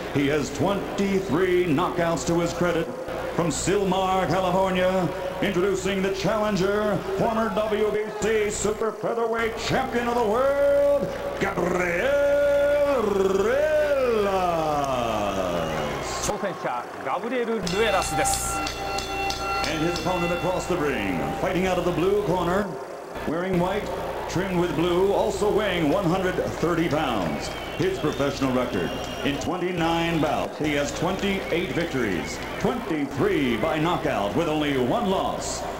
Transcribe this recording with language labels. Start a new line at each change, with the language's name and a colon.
English: He has 23 knockouts to his credit. From Sylmar, California, introducing the challenger, former WBC super featherweight champion of the world, Gabriel Ruelas.
Japanese: 挑戦者、ガブリエル・ルエラスです。
English: And his opponent across the ring, fighting out of the blue corner, wearing white, trimmed with blue, also weighing 130 pounds. His professional record in 29 bouts. He has 28 victories, 23 by knockout with only one loss.